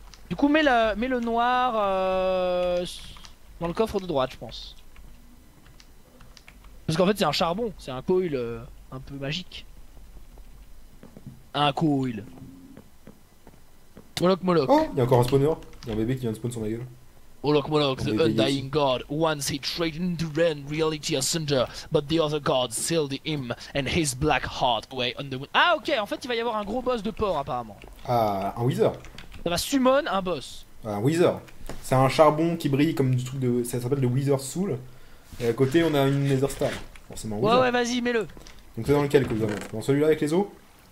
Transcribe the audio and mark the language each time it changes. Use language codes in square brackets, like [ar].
[fr] Du coup, mets le noir dans le coffre de droite, je pense. Parce qu'en fait, c'est un charbon, c'est un coil un peu magique. Un coil. Moloch. Oh, y'a encore un spawner. Y'a un bébé qui vient de spawn sur ma gueule. [en] Moloch, the undying god. Once he threatened to rend reality asunder, but the other gods sealed him and his black heart away on the. [fr] Ah, ok, en fait, il va y avoir un gros boss de porc apparemment. Ah, un wither. Ça va summon un boss. Un wither. C'est un charbon qui brille comme du truc de. Ça s'appelle le Wither Soul. Et à côté, on a une Nether Star. Forcément, Wither. Ouais, vas-y, mets-le. Donc, c'est dans lequel que vous avez ? Dans celui-là avec les os ?